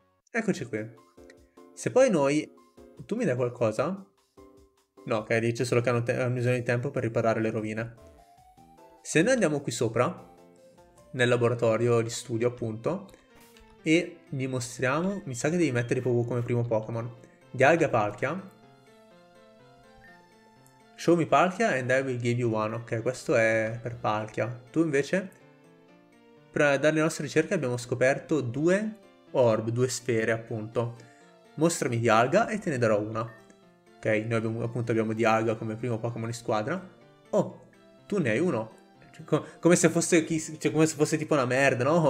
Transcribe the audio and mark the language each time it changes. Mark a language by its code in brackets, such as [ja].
[it] Eccoci qui. Se poi noi... Tu mi dai qualcosa? No, ok, dice solo che hanno bisogno di tempo per riparare le rovine. Se noi andiamo qui sopra, nel laboratorio di studio appunto, e gli mostriamo... Mi sa che devi mettere proprio come primo Pokémon. Dialgapalkia. [en] Show me Palkia and I will give you one. [it] Ok, questo è per Palkia. Tu invece? Dalle nostre ricerche abbiamo scoperto due orb, due sfere appunto. Mostrami Dialga e te ne darò una. Ok, noi abbiamo Dialga come primo Pokémon in squadra. Oh, tu ne hai uno. Cioè, come se fosse tipo una merda, no?